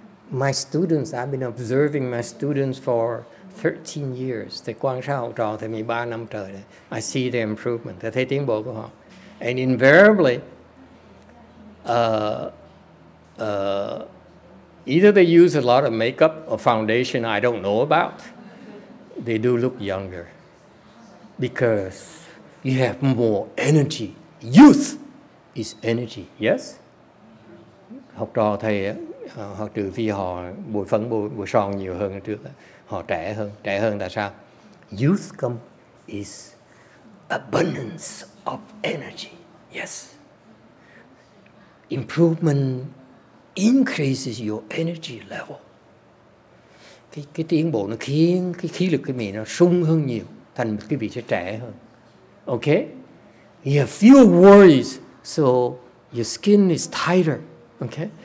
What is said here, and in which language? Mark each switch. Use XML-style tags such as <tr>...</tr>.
<en>My students, I've been observing my students for 13 years.</en> <vi>Thầy quan sát học trò thầy 13 năm trời đấy.</vi> <en>I see their improvement.</en> <vi>Thầy thấy tiến bộ của họ.</vi> <en>And invariably, either they use a lot of makeup or foundation I don't know about, they do look younger. Because you have more energy. Youth is energy. Yes?</en> <vi>Học trò thầy, họ trừ phi họ bụi phấn, bụi son nhiều hơn trước. Họ trẻ hơn. Trẻ hơn tại sao?</vi> <en>Youth come is abundance of energy. Yes? Improvement increases your energy level.</en> <vi>Cái tiến bộ nó khiến cái khí lực cái mình nó sung hơn nhiều. Thành một cái vị sẽ trẻ hơn. Okay?</vi> <en>You have fewer worries, so your skin is tighter. Okay?</en>